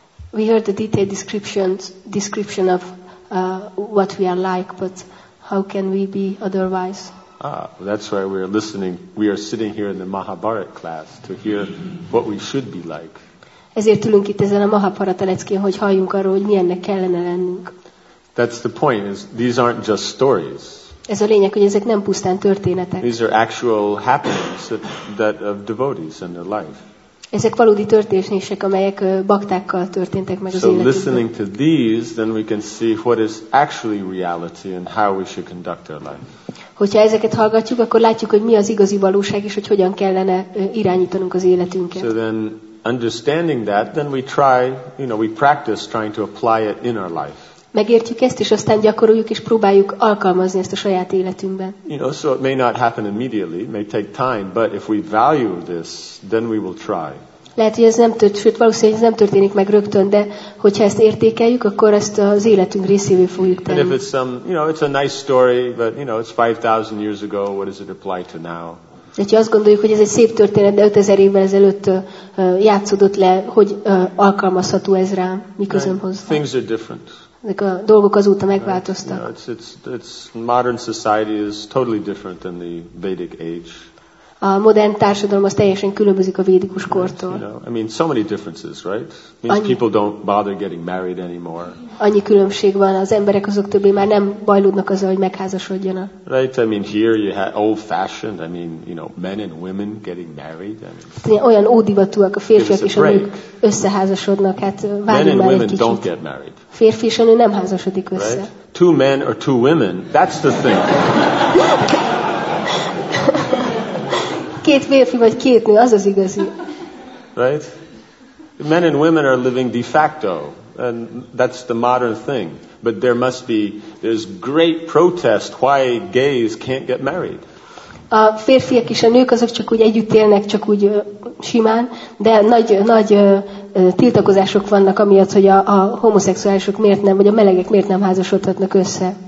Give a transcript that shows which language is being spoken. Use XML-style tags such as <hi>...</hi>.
<en>We heard the detailed description of what we are like, but how can we be otherwise? That's why we are listening. We are sitting here in the Mahabharata class to hear what we should be like.</en> <hu>Ezért ülünk itt ezen a Mahabharata leckén, hogy halljunk arról, hogy milyennek kellene lennünk.</hu> <en>That's the point. Is these aren't just stories.</en> <hu>Ez a lényeg, hogy ezek nem pusztán történetek.</hu> <en>These are actual happenings that of devotees in their life.</en> <hu>Ezek valódi történések, amelyek baktákkal történtek meg az életükben.</hu> <en>So listening to these, then we can see what is actually reality and how we should conduct our life.</en> <hu>Hogyha ezeket hallgatjuk, akkor látjuk, hogy mi az igazi valóság, és hogy hogyan kellene irányítanunk az életünket.</hu> <en>So then understanding that, then we try, you know, we practice trying to apply it in our life.</en> <hu>Megértjük ezt, és aztán gyakoroljuk és próbáljuk alkalmazni ezt a saját életünkben.</hu> <en>You know, so it may not happen immediately, it may take time, but if we value this, then we will try.</en> <hu>Lehet, hogy ez nem tört, sőt, valószínűleg ez nem történik meg rögtön, de hogyha ezt értékeljük, akkor ezt az életünk részévé fogjuk tenni.</hu> <en>And if it's some, you know, it's a nice story, but you know, it's 5000 years ago, what does it apply to now?</en> <hu>De ha azt gondoljuk, hogy ez egy szép történet, de 5000 évvel ezelőtt játszódott le, hogy alkalmazható ez rám, miközben hozzá.</hu> <en>Things are different.</en> <hu>Ezek a dolgok azóta megváltoztak.</hu> <en>You know, it's modern society is totally different than the Vedic age.</en> <hu>A modern társadalom az teljesen különbözik a védikus kortól.</hu> <en>You know, I mean, so many differences, right? Means</en> <hu>annyi,</hu> <en>people don't bother getting married anymore.</en> <hu>Annyi különbség van, az emberek azok többé már nem bajlódnak azzal, hogy megházasodjanak.</hu> <en>Right, I mean, here you have old-fashioned, I mean, you know, men and women getting married. I mean,</en> <hu>olyan ódivatúak a férfiak és a nők összeházasodnak, hát várjunk már egy kicsit.</hu> <en>Men and women don't get married.</en> <hu>Férfi és a nő nem házasodik össze.</hu> <en>Right? Two men or two women, that's the thing.</en> <hu>Két férfi vagy két nő, az az igazi.</hu> <en>Right? Men and women are living de facto, and that's the modern thing. But there must be, there's great protest why gays can't get married.</en> <hu>A férfiak és a nők azok csak úgy együtt élnek, csak úgy simán, de nagy tiltakozások vannak amiatt, hogy a homoszexuálisok miért nem, vagy a melegek miért nem házasodhatnak össze.</hu>